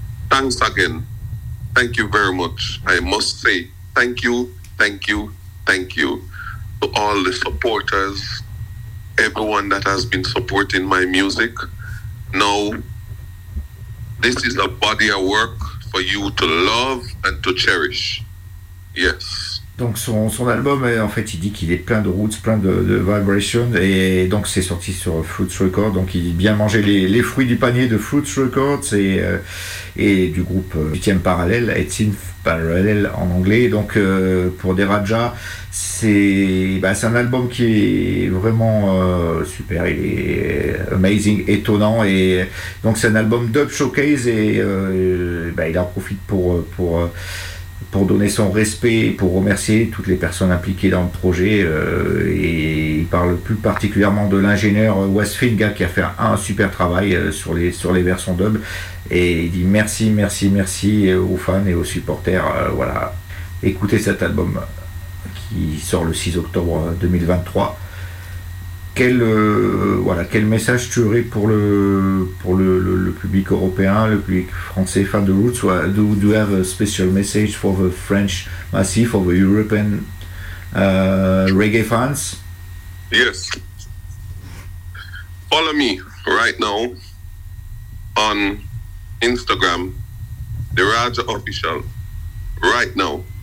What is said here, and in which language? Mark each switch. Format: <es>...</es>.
<en>Thanks again. Thank you very much. I must say thank you, thank you, thank you to all the supporters, everyone that has been supporting my music. Now, this is a body of work for you to love and to cherish. Yes.</en> <fr>Donc son album, en fait, il dit qu'il est plein de roots, plein de vibrations, et donc c'est sorti sur Fruits Records. Donc il dit bien manger les fruits du panier de Fruits Records et du groupe 8e Parallèle, 18th Parallèle en anglais. Donc pour Derajah, c'est un album qui est vraiment super, il est amazing, étonnant, et donc c'est un album dub showcase, et il en profite pour donner son respect, pour remercier toutes les personnes impliquées dans le projet, et il parle plus particulièrement de l'ingénieur West Finger qui a fait un super travail sur les versions dub, et il dit merci aux fans et aux supporters. Voilà, écoutez cet album qui sort le 6 octobre 2023. Quel message tu aurais pour le public européen, le public français, fan de roots?</fr> <en>Do you have a special message for the French massif, for the European reggae fans? Yes. Follow me right now on Instagram, Derajah Official, right now.</en>